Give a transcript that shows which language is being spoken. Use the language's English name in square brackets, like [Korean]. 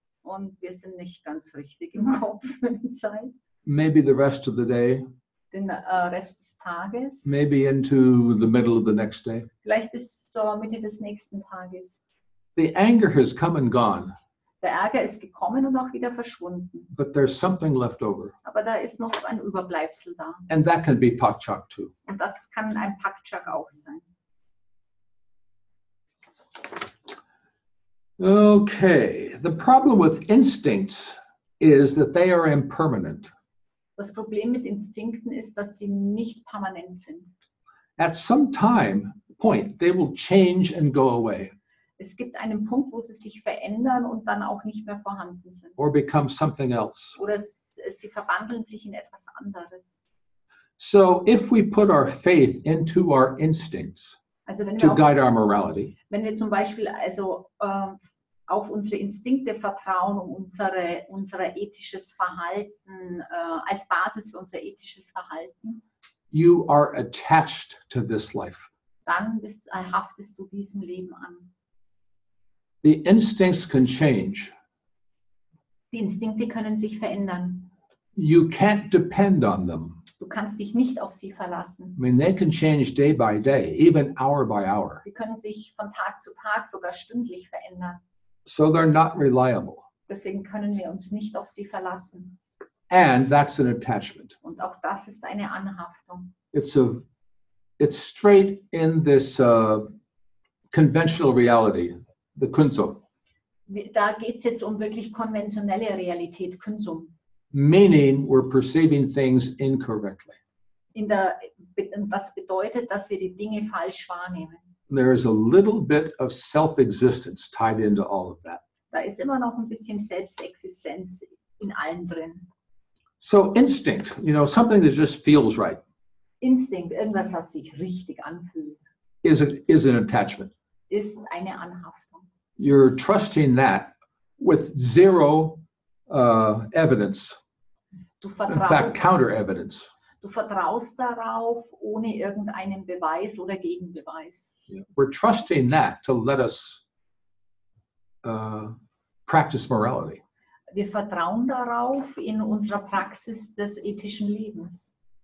[German] Und wir sind nicht ganz richtig im Kopf für die Zeit. [English] Maybe the rest of the day. [German] Den Rest des Tages. [English] Maybe into the middle of the next day. [German] Vielleicht bis zur Mitte des nächsten Tages. [English] The anger has come and gone. [German] Der Ärger ist gekommen und auch wieder verschwunden. [English] But there's something left over. [German] Aber da ist noch ein Überbleibsel da. [English] And that can be Bakchak too. [German] Und das kann ein Bakchak auch sein. [English] Okay. The problem with instincts is that they are impermanent. [German] Das Problem mit Instinkten ist, dass sie nicht permanent sind. [English] At some time, point, they will change and go away. [German] Es gibt einen Punkt, wo sie sich verändern und dann auch nicht mehr vorhanden sind. [English] Or become something else. [German] Oder sie verwandeln sich in etwas anderes. [English] So if we put our faith into our instincts, [German] also [English] to guide our morality. [German] Wenn wir zum Beispiel also auf unsere Instinkte vertrauen, um unser ethisches Verhalten als Basis für unser ethisches Verhalten. [English] You are attached to this life. [German] Dann haftest du diesem Leben an. [English] The instincts can change. [German] Die Instinkte können sich verändern. [English] You can't depend on them. [German] Du kannst dich nicht auf sie verlassen. [English] I mean, they can change day by day, even hour by hour. [German] Sie können sich von Tag zu Tag, sogar stündlich verändern. [English] So they're not reliable. [German] Deswegen können wir uns nicht auf sie verlassen. [English] And that's an attachment. [German] Und auch das ist eine Anhaftung. [English] It's straight in this conventional reality. The Kunzo. [German] da geht's jetzt um wirklich konventionelle Realität, Konsum. [English] Meaning we're perceiving things incorrectly. [German] In der, was bedeutet, dass wir die Dinge falsch wahrnehmen? [English] There is a little bit of self-existence tied into all of that. [German] Da ist immer noch ein bisschen Selbstexistenz in allem drin. [English] So instinct, you know, something that just feels right. [German] Instinct, irgendwas, was sich richtig anfühlt. [English] Is an attachment. [German] Ist eine Anhaftung. [English] You're trusting that with zero evidence. [German] Du vertraust, [English] in fact, counter evidence. [German] Du vertraust darauf ohne irgendeinen Beweis oder Gegenbeweis. [English] Yeah. We're trusting that to let us practice morality. [German] Wir vertrauen darauf in unserer Praxis des ethischen Lebens.